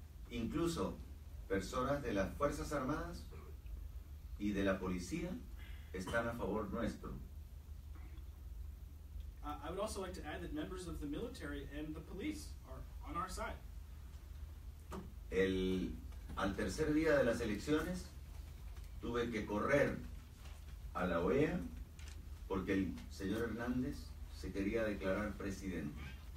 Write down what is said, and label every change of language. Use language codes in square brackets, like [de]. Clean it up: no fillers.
[es] Incluso personas de las Fuerzas Armadas y de la policía están a favor nuestro. [en] I would also like to add that members of the military and the police are on our side. [es] Al tercer día de las elecciones, tuve que correr a la OEA porque el señor Hernández se quería declarar presidente.